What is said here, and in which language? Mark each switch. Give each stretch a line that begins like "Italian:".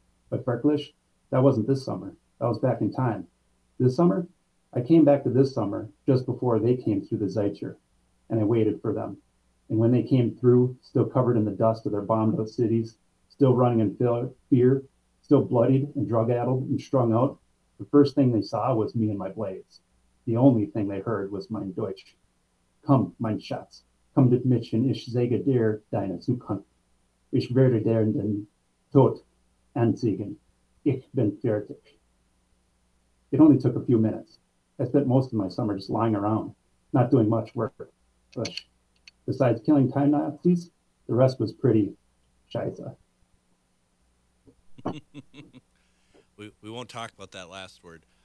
English: But Frecklish, that wasn't this summer. That was back in time. This summer, I came back to this summer just before they came through the Zeitzeit, and I waited for them. And when they came through, still covered in the dust of their bombed out cities, still running in fear, still bloodied and drug addled and strung out, the first thing they saw was me and my blades. The only thing they heard was
German: mein Deutsch.
English: Come,
German: mein Schatz, come mit mich und ich sage dir deine Zukunft. Ich werde dir den Tod anzeigen. Ich bin fertig.
English: It only took a few minutes. I spent most of my summer just lying around, not doing much work. But besides killing time Nazis, the rest was pretty scheiße. We won't talk about that last word.